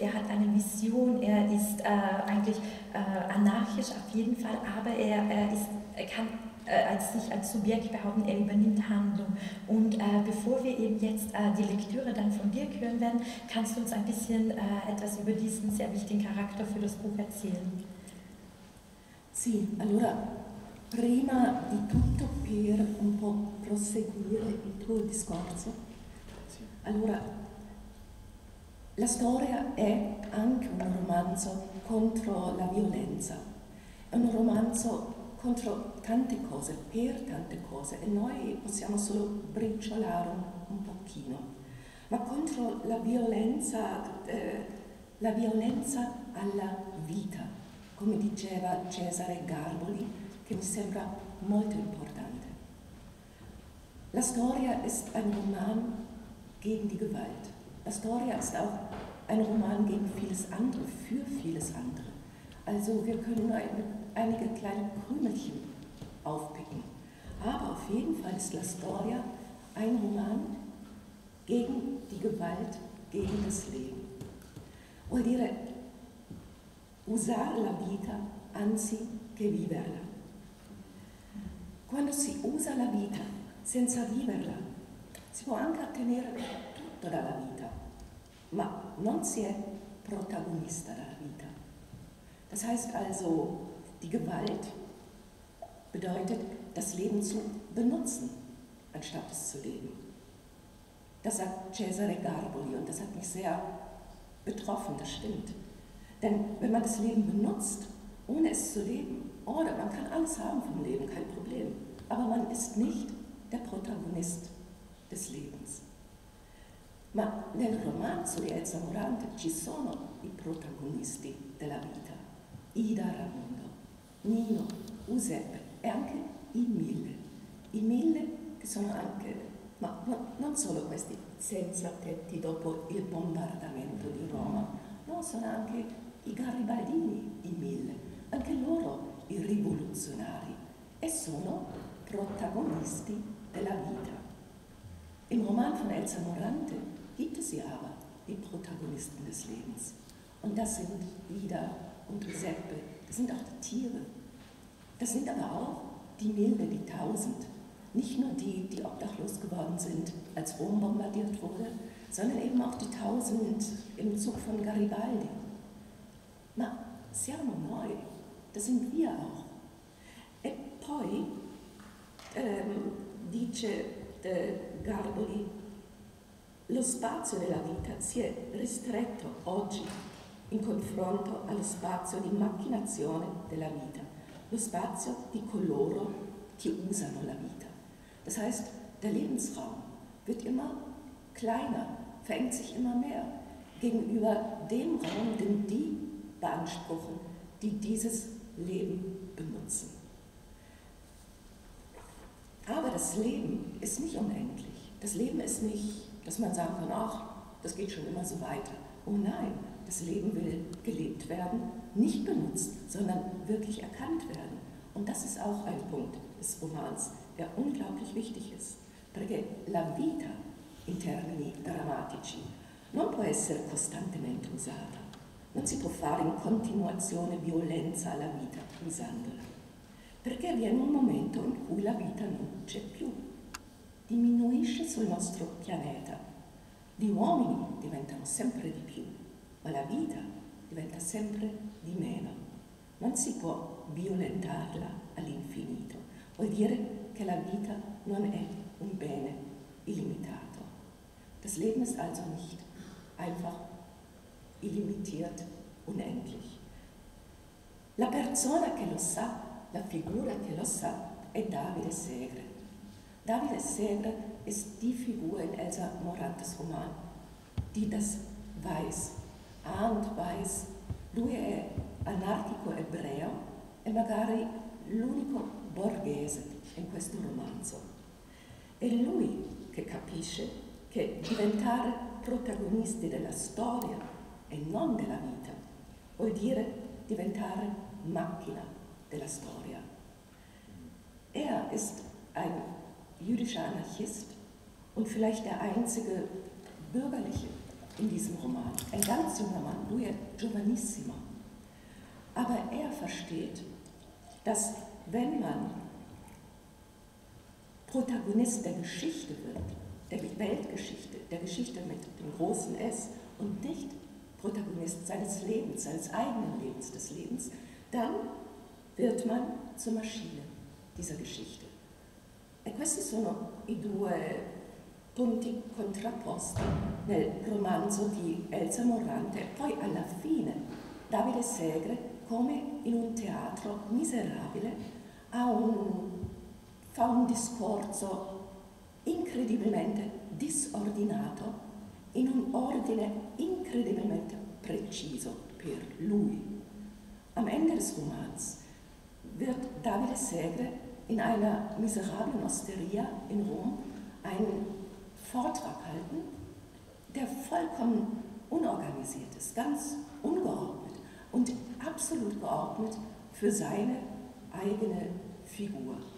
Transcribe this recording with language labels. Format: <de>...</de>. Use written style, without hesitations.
<de>Er hat eine Mission, er ist eigentlich anarchisch auf jeden Fall, aber er kann sich als Subjekt behaupten, er übernimmt Handlung. Und bevor wir eben jetzt die Lektüre dann von dir hören werden, kannst du uns ein bisschen etwas über diesen sehr wichtigen Charakter für das Buch erzählen?</de> <it>Sì, allora, prima di tutto per un po' proseguire il tuo discorso. Allora, la storia è anche un romanzo contro la violenza. È un romanzo contro tante cose, per tante cose, e noi possiamo solo briciolare un pochino. Ma contro la violenza alla vita, come diceva Cesare Garboli, che mi sembra molto importante.</it> <de>La storia ist ein Roman gegen die Gewalt. La storia ist auch ein Roman gegen vieles andere, für vieles andere. Also wir können einige kleine Krümelchen aufpicken. Aber auf jeden Fall ist La Storia ein Roman gegen die Gewalt, gegen das Leben.</de> <it>Vuol dire usare la vita anzi che viverla. Quando si usa la vita senza viverla, si può anche ottenere tutto dalla vita, ma non si è protagonista della vita.</it> <de>Das heißt also, die Gewalt bedeutet, das Leben zu benutzen, anstatt es zu leben. Das sagt Cesare Garboli und das hat mich sehr betroffen, das stimmt. Denn wenn man das Leben benutzt, ohne es zu leben, oder man kann alles haben vom Leben, kein Problem, aber man ist nicht der Protagonist des Lebens.</de> <it>Ma nel romanzo di Elsa Morante ci sono i protagonisti della vita, Ida Raimondo, Nino, Giuseppe e anche i Mille, che sono anche Ma non solo questi senza tetti dopo il bombardamento di Roma, non sono anche i garibaldini i mille, anche loro i rivoluzionari, e sono protagonisti della vita. Il romanzo</it> <de>von Elsa Morante gibt es ja aber, die Protagonisten des Lebens. Und das sind Ida und Giuseppe, das sind auch die Tiere. Das sind aber auch die Milde, die Tausend. Nicht nur die, die obdachlos geworden sind, als Rom bombardiert wurde, sondern eben auch die Tausend im Zug von Garibaldi.</de> <it>Ma siamo noi,</it> <de>das sind wir auch.</de> <it>E poi dice Garboli, lo spazio della vita si è ristretto oggi in confronto allo spazio di macchinazione della vita, lo spazio di coloro che usano la vita.</it> <de>Das heißt, der Lebensraum wird immer kleiner, verengt sich immer mehr gegenüber dem Raum, den die beanspruchen, die dieses Leben benutzen. Aber das Leben ist nicht unendlich. Das Leben ist nicht, dass man sagen kann, ach, das geht schon immer so weiter. Oh nein, das Leben will gelebt werden, nicht benutzt, sondern wirklich erkannt werden. Und das ist auch ein Punkt des Romans, der unglaublich wichtig ist.</de> <it>Perché la vita in termini drammatici non può essere costantemente usata. Non si può fare in continuazione violenza alla vita usandola. Perché viene un momento in cui la vita non c'è più. Diminuisce sul nostro pianeta. Gli uomini diventano sempre di più, ma la vita diventa sempre di meno. Non si può violentarla all'infinito. Vuol dire che la vita non è un bene illimitato.</it> <de>Das Leben ist also nicht einfach illimitiert, unendlich.</de> <it>La persona che lo sa, la figura che lo sa, è Davide Segre.</it> <de>Davide Segre ist die Figur in Elsa Morantes Roman, die das weiß, ahnt, weiß.</de> <it>Lui è anarchico ebreo e magari l'unico borghese in questo romanzo. È lui che capisce che diventare protagonisti della storia e non della vita vuol dire diventare macchina della storia.</it> <de>Er ist ein jüdischer Anarchist und vielleicht der einzige Bürgerliche in diesem Roman. Ein ganz junger Mann,</de> <it>lui è giovanissimo.</it> <de>Aber er versteht, dass wenn man Protagonist der Geschichte wird, der Weltgeschichte, der Geschichte mit dem großen S, und nicht Protagonist seines Lebens, seines eigenen Lebens, des Lebens, dann wird man zur Maschine dieser Geschichte.</de> <it>E questi sono i due punti contrapposti nel romanzo di Elsa Morante. Poi alla fine Davide Segre, come in un teatro miserabile, fa un discorso incredibilmente disordinato in un ordine incredibilmente preciso per lui.</it> <de>Am Ende des Romans wird Davide Segre in einer miserablen Osteria in Rom einen Vortrag halten, der vollkommen unorganisiert ist, ganz ungeordnet und absolut geordnet für seine eigene Figur.</de>